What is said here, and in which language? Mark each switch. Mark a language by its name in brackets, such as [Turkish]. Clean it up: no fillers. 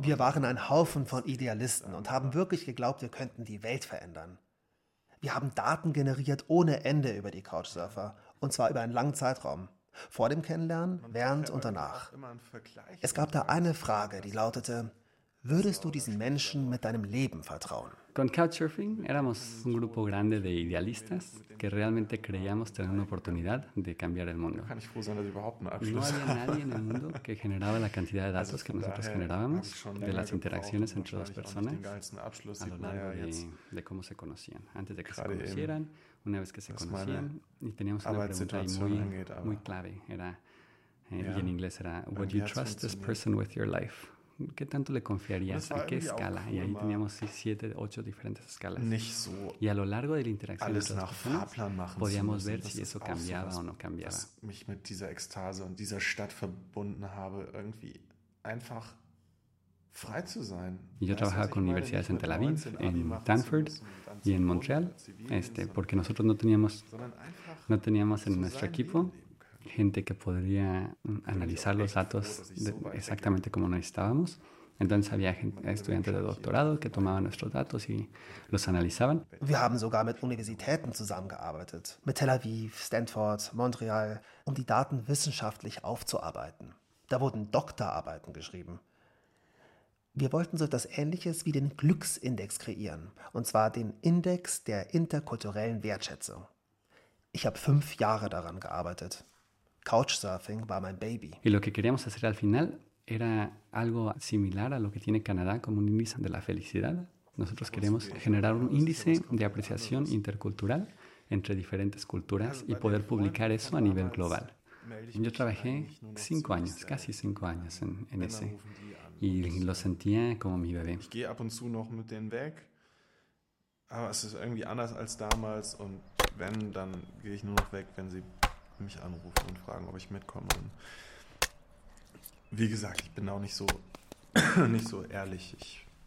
[German] Wir waren ein Haufen von Idealisten und haben wirklich geglaubt, wir könnten die Welt verändern. Wir haben Daten generiert ohne Ende über die Couchsurfer, und zwar über einen langen Zeitraum. Vor dem Kennenlernen, während und danach. Es gab da eine Frage, die lautete, würdest du diesen Menschen mit deinem Leben vertrauen? [Spanish] Con Couchsurfing éramos un grupo grande de idealistas que realmente creíamos tener una oportunidad de cambiar el mundo. [German] Kann ich froh sein, dass überhaupt ein Abschluss. [Spanish] No había nadie en el mundo que generaba la cantidad de datos also, que nosotros generábamos de las interacciones entre las personas a lo largo de cómo se conocían. Antes de que se conocieran, una vez que se conocían, y teníamos una pregunta muy clave. Era, y en inglés era, [English] would you trust this person with your life? [Spanish] ¿Qué tanto le confiarías? ¿A qué escala? Cool, y ahí teníamos 7, 8 diferentes escalas. [German] Nicht so [Spanish] y a lo largo de la interacción [German] alles nach Fahrplan machen [Spanish] podíamos ver si eso cambiaba o no cambiaba. [German] Mich mit dieser Ekstase und dieser Stadt verbunden habe, irgendwie einfach frei zu sein. [Spanish] Yo trabajaba con universidades en Tel Aviv, en Stanford y en Montreal, porque nosotros no teníamos en nuestro equipo gente que podría analizar los datos exactamente como necesitábamos. Entonces había estudiantes de doctorado que tomaban nuestros datos y los analizaban. [German] Wir haben sogar mit Universitäten zusammengearbeitet, mit Tel Aviv, Stanford, Montreal, um die Daten wissenschaftlich aufzuarbeiten. Da wurden Doktorarbeiten geschrieben. Wir wollten so etwas Ähnliches wie den Glücksindex kreieren, und zwar den Index der interkulturellen Wertschätzung. Ich habe 5 Jahre daran gearbeitet. Couchsurfing war mein Baby. [Spanish] Y lo que queríamos hacer al final era algo similar a lo que tiene Canadá como un índice de la felicidad. Nosotros queremos generar un índice de apreciación intercultural entre diferentes culturas y poder publicar eso a nivel global. Yo trabajé 5 años, casi 5 años en ese, y lo sentía como mi bebé. [German] Ich gehe ab und zu noch mit denen weg, aber es ist irgendwie anders als damals. Und wenn, dann gehe ich nur noch weg, wenn sie mich anrufen und fragen, ob ich mitkomme. Und wie gesagt, ich bin auch nicht so ehrlich.